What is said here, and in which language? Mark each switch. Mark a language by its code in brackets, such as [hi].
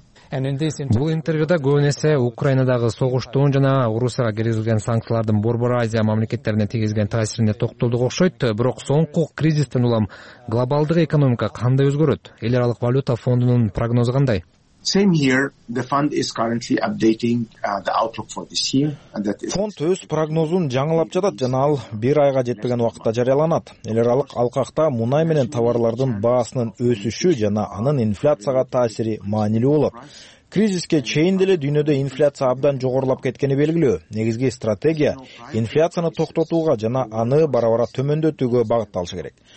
[ky] Бул интервьюда көбүнесе Украинадагы согуштун жана Орусияга киргизилген санкциялардын Борбор Азия мамлекеттерине тийгизген таасирине токтолдук окшойт, бирок соңку кризистен улам глобалдык экономика кандай өзгөрөт? Эл аралык валюта фондунун прогнозу кандай? [en] Same here, the fund is currently updating the outlook for this year. [ky] Фонд өз прогнозун жаңылап жатат жана ал бир айга жетпеген убакытта жарыяланат. Эл аралык алкакта мунай менен товарлардын баасынын өсүшү жана анын инфляцияга таасири маанилүү болот. Кризиске чейин деле дүйнөдө инфляция абдан жогорулап кеткени белгилүү. Негизги стратегия инфляцияны токтотууга жана аны барабара төмөндөтүүгө багытталышы керек.